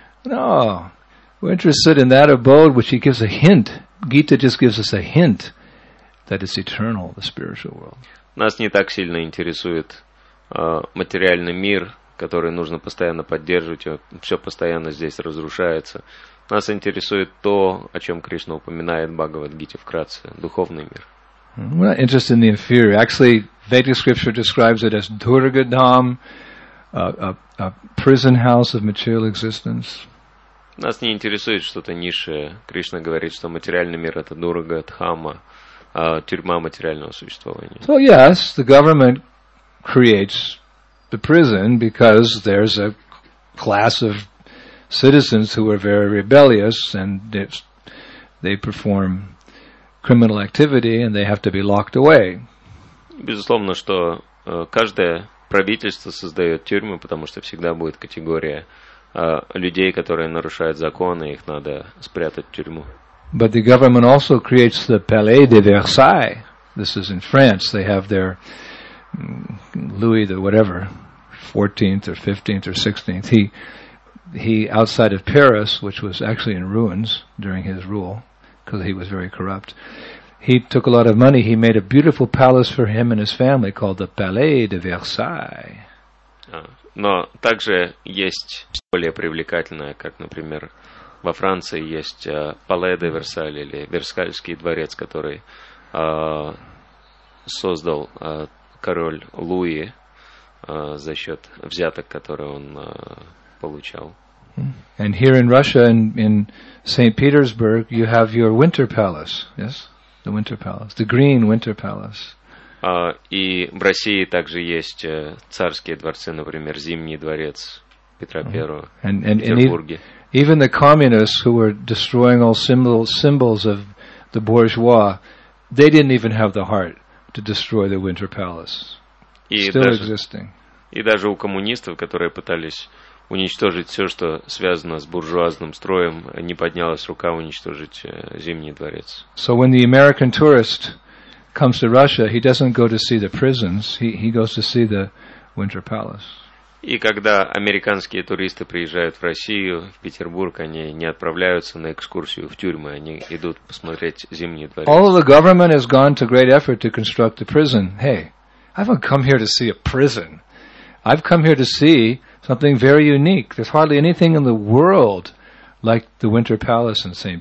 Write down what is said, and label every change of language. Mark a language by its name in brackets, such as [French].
[English] No, we're interested in that abode which he gives a hint. Gita just gives us a hint that it's eternal, the spiritual world. [Russian] Нас не так сильно интересует материальный мир, который нужно постоянно поддерживать, все постоянно здесь разрушается. Нас интересует то, о чем Кришна упоминает в Бхагавад-гите вкратце, духовный мир. [English] We're not interested in the inferior. Actually, Vedic scripture describes it as Durga Dham, a prison house of material existence. [Russian] Нас не интересует что-то низшее. Кришна говорит, что материальный мир — это Дурга Дхама, тюрьма материального существования. [English] So yes, the government creates the prison because there's a class of citizens who are very rebellious and they perform criminal activity and they have to be locked away. [Russian] Безусловно, что каждое правительство создает тюрьмы, потому что всегда будет категория людей, которые нарушают законы, их надо спрятать в тюрьму. [English] But the government also creates the Palais de Versailles. This is in France. They have their Louis the whatever, 14th or 15th or 16th. He outside of Paris, which was actually in ruins during his rule, because he was very corrupt, he took a lot of money. He made a beautiful palace for him and his family called the Palais de Versailles. [Russian] Но также есть более привлекательное, как, например, во Франции есть Palais de Versailles, или Версальский дворец, который создал король Луи за счет взяток, которые он получал. [English] And here in Russia, in St. Petersburg, you have your Winter Palace, yes? The Winter Palace, the Green Winter Palace. [Russian] И в России также есть царские дворцы, например, Зимний дворец Петра Первого в Петербурге. [English] Even the communists who were destroying all symbols of the bourgeois, they didn't even have the heart to destroy the Winter Palace. Still existing. [Russian] И даже у коммунистов, которые пытались уничтожить все, что связано с буржуазным строем, не поднялась рука уничтожить Зимний дворец. [English] So when the American tourist comes to Russia, he doesn't go to see the prisons, he goes to see the Winter Palace. [Russian] И когда американские туристы приезжают в Россию, в Петербург, они не отправляются на экскурсию в тюрьмы, они идут посмотреть Зимний дворец. [English] All of the government has gone to great effort to construct the prison. Hey, I haven't come here to see a prison. I've come here to see something very unique. There's hardly anything in the world like the Winter Palace in St.